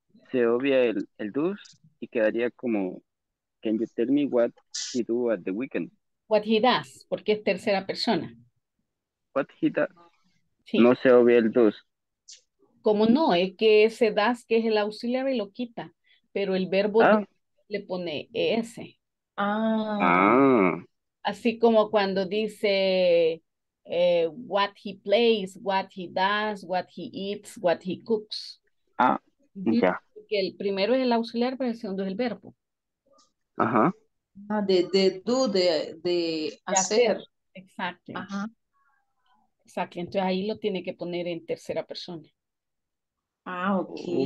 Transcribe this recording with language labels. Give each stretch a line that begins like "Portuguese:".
Spanish: se obvia el does y quedaría como
English: can you tell me what he do at the weekend? What he does,
Spanish: porque es tercera persona.
English: What he does.
Spanish: Sí. No se obvia el does. ¿Cómo no? Es que ese does, que es el auxiliary, lo quita. Pero el verbo le pone es. Así como cuando dice
English: what he plays, what he does, what he eats, what he cooks.
Spanish: Ah, ya. Que el primero es el auxiliar, pero el segundo es el verbo. Ajá. Ah, de do, de hacer. Exacto. Ajá. Exacto. Entonces ahí lo tiene que poner en tercera persona. Ah, ok.